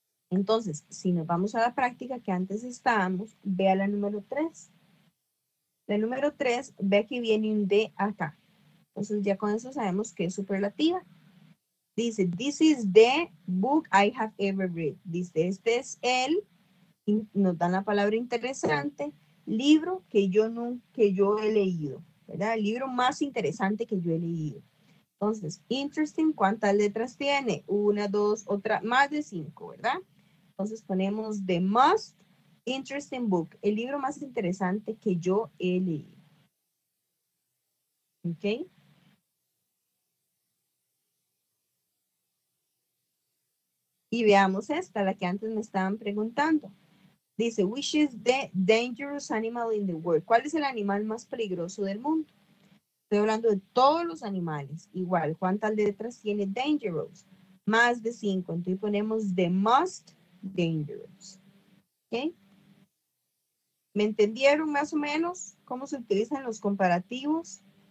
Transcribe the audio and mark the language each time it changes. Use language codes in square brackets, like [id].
[es] Entonces, si nos vamos a la práctica que antes estábamos, vea la número 3. La número 3, ve que viene un D acá. Entonces, ya con eso sabemos que es superlativa. [en] Dice, this is the book I have ever read. [es] Dice, este es el, y nos dan la palabra interesante, libro que yo he leído, ¿verdad? El libro más interesante que yo he leído. Entonces, interesting, ¿cuántas letras tiene? Una, dos, otra, más de cinco, ¿verdad? Entonces ponemos [en] the most interesting book, [es] el libro más interesante que yo he leído. ¿Ok? Y veamos esta, la que antes me estaban preguntando. [en] Dice, which is the dangerous animal in the world? [es] ¿Cuál es el animal más peligroso del mundo? Estoy hablando de todos los animales. Igual, ¿cuántas letras tiene dangerous? Más de cinco. Entonces ponemos [en] the most dangerous. [es] ¿Ok? ¿Me entendieron más o menos cómo se utilizan los comparativos?